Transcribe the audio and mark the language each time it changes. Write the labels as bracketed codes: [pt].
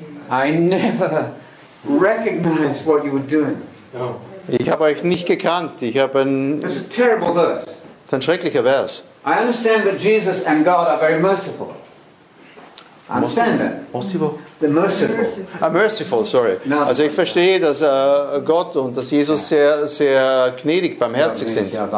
[en] I never recognized what you were doing. [de] Ich habe euch nicht gekannt. Ich habe ein, [en] that's a terrible verse. [de] Das ist ein schrecklicher Vers. [en] I understand that Jesus and God are very merciful. Understand that? The merciful. Merciful, sorry. [de] Also ich verstehe, dass Gott und dass Jesus sehr, sehr gnädig, barmherzig sind.